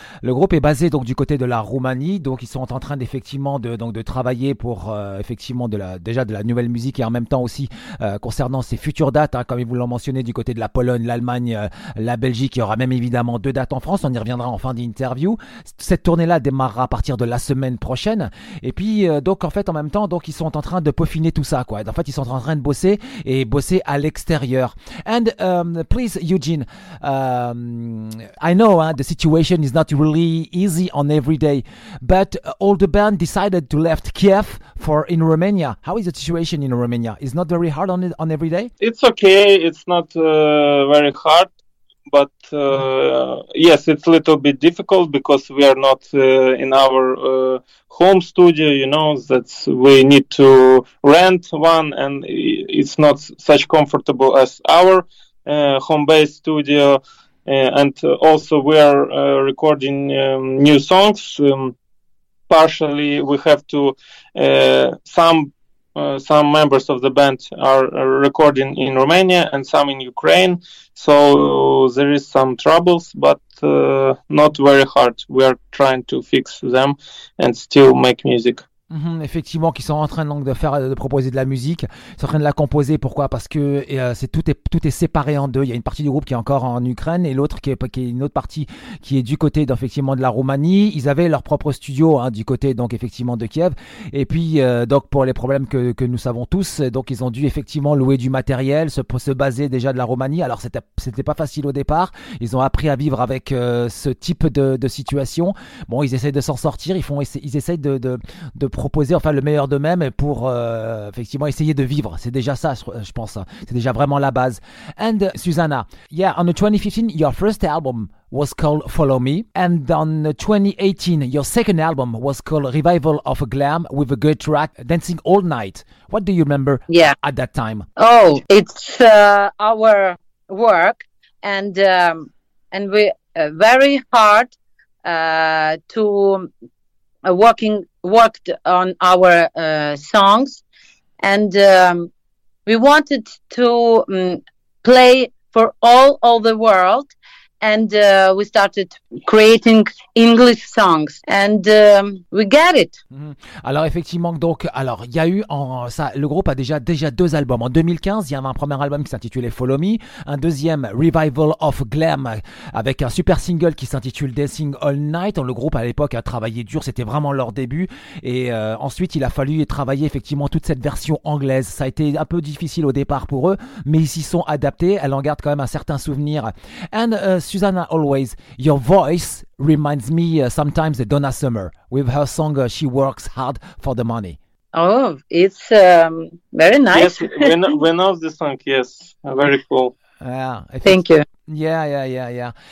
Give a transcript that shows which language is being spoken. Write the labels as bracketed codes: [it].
[fr] Le groupe est basé donc du côté de la Roumanie, donc ils sont en train d'effectivement de travailler pour effectivement de la nouvelle musique, et en même temps aussi concernant ses futures dates, hein, comme ils vous l'ont mentionné, du côté de la Pologne, l'Allemagne, la Belgique. Il y aura même évidemment deux dates en France, on y reviendra en fin d'interview. Cette tournée-là démarrera à partir de la semaine prochaine, et puis donc en fait en même temps, donc ils sont en train de peaufiner tout ça, quoi. En fait, ils sont en train de bosser et bosser à l'extérieur. [en] And please, Eugene, I know the situation is not really easy on every day, but all the band decided to left Kiev for in Romania. How is the situation in Romania? It's not very hard on every day? It's okay. It's not very hard. But yes, it's a little bit difficult because we are not in our home studio, you know, that we need to rent one, and it's not such comfortable as our home-based studio. And also we are recording new songs. Partially we have to, some members of the band are recording in Romania and some in Ukraine. So there is some troubles, but not very hard. We are trying to fix them and still make music. [fr] Mm-hmm, effectivement, qui sont en train donc de proposer de la musique, ils sont en train de la composer. Pourquoi? Parce que tout est séparé en deux. Il y a une partie du groupe qui est encore en Ukraine et l'autre qui est une autre partie qui est du côté effectivement de la Roumanie. Ils avaient leur propre studio, hein, du côté donc effectivement de Kiev. Et puis donc pour les problèmes que nous savons tous, donc ils ont dû effectivement louer du matériel, se baser déjà de la Roumanie. Alors c'était pas facile au départ. Ils ont appris à vivre avec ce type de situation. Bon, ils essaient de s'en sortir. Ils essaient de proposer enfin le meilleur d'eux-mêmes pour effectivement essayer de vivre. C'est déjà ça, je pense. C'est déjà vraiment la base. [en] And Susanna, yeah, on the 2015, your first album was called Follow Me. And on the 2018, your second album was called Revival of a Glam with a good track, Dancing All Night. What do you remember at that time? Oh, it's our work, and we very hard to worked on our songs, and we wanted to play for all the world, and we started creating English songs, and we get it. [fr] Alors effectivement, donc alors il y a eu en ça, le groupe a déjà deux albums. En 2015, il y avait un premier album qui s'intitulait Follow Me, un deuxième Revival of Glam avec un super single qui s'intitule Dancing All Night. Le groupe à l'époque a travaillé dur, c'était vraiment leur début, et ensuite il a fallu travailler effectivement toute cette version anglaise. Ça a été un peu difficile au départ pour eux, mais ils s'y sont adaptés. Elle en garde quand même un certain souvenir. [en] And Susanna always, your voice reminds me sometimes of Donna Summer with her song She Works Hard for the Money. Oh, it's very nice. Yes, we know the song, yes. Very cool. Yeah. Thank you. Yeah.